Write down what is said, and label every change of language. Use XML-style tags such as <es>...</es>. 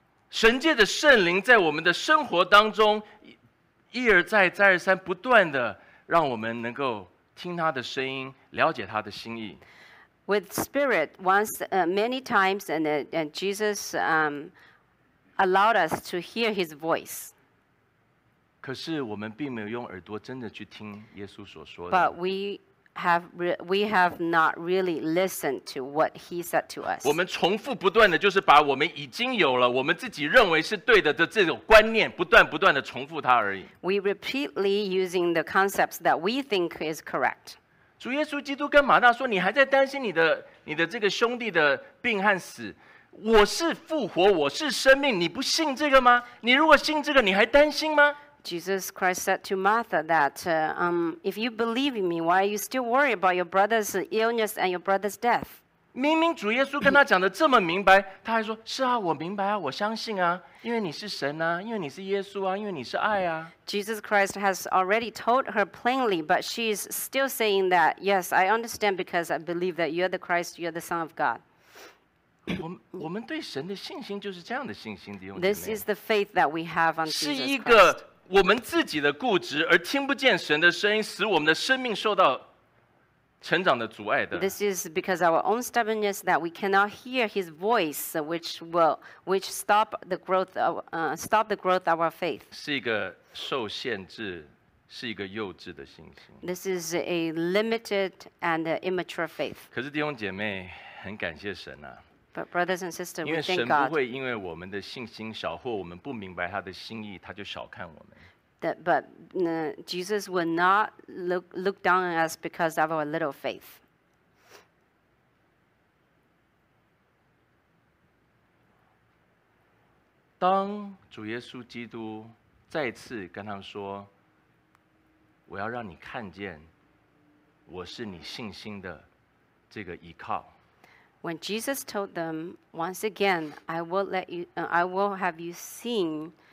<zh>神藉着圣灵在我们的生活当中，一而再，再而三，不断的让我们能够听他的声音，了解他的心意。</zh> <en>With Spirit, once, many times, and Jesus, allowed us to hear His voice.</en> <zh>可是我们并没有用耳朵真的去听耶稣所说的。</zh> <en>But we have not really listened to what He said to us.</en> <zh>我们重复不断的就是把我们已经有了，我们自己认为是对的的这种观念，不断的重复它而已。</zh> <en>We repeatedly using the concepts that we think is correct.</en> <zh>主耶稣基督跟马大说：“你还在担心你的这个兄弟的病和死？我是复活，我是生命，你不信这个吗？你如果信这个，你还担心吗？”</zh> <en>Jesus Christ said to Martha that, if you believe in me, why are you still worried about your brother's illness and your brother's death?</en> <zh>明明主耶稣跟他讲的这么明白，他还说：“是啊，我明白啊，我相信啊，因为你是神啊，因为你是耶稣啊，因为你是爱啊。”</zh> <en>Jesus Christ has already told her plainly, but she's still saying that, "Yes, I understand because I believe that you're the Christ, you're the Son of God."</en> <zh>我们对神的信心就是这样的信心，弟兄姊妹。</zh> <en>This is the faith that we have on Jesus Christ.</en> <zh>是一个我们自己的固执而听不见神的声音，使我们的生命受到。成长的阻碍的。</zh> <en>This is because our own stubbornness that we cannot hear His voice, which stop the growth of our faith.</en> <zh>是一个受限制，是一个幼稚的信心。</zh> <en>This is a limited and immature faith.</en> <zh>可是弟兄姐妹，很感谢神啊。</zh> <en>But brothers and sisters, we thank God.</en> <zh>因为神不会因为我们的信心小，或我们不明白他的心意，他就小看我们。</zh> <en>But Jesus will not look down on us because of our little faith.</en> <zh>当主耶稣基督再次跟他们说：“我要让你看见，我是你信心的这个依靠。”</zh> <en>When Jesus told them once again, "I will let you, I will have you seen."</en>